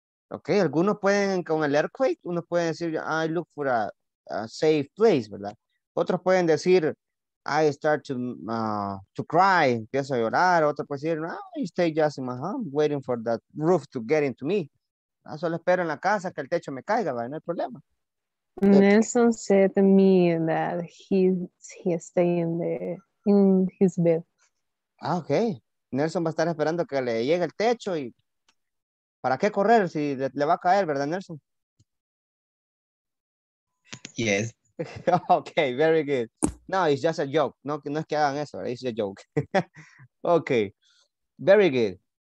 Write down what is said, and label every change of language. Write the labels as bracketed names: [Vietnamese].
[Spanish] Ok, algunos pueden, con el earthquake, uno puede decir, [English] I look for a safe place, [Spanish] ¿verdad? Otros pueden decir, [English] I start to cry, [Spanish] empiezo a llorar. Otros pueden decir, [English] I stay just in my home, waiting for that roof to get into me. ¿Verdad? [Spanish] Solo espero en la casa que el techo me caiga, ¿verdad? No hay problema. [English] Nelson said to me that he stay in his bed. Ah, ok. [Spanish] Nelson va a estar esperando que le llegue el techo y ¿para qué correr si le va a caer, verdad, Nelson? [English] Yes. Ok, very good. No, it's just a joke. [Spanish] No es que hagan eso, ¿verdad? [English] It's a joke. Ok, very good.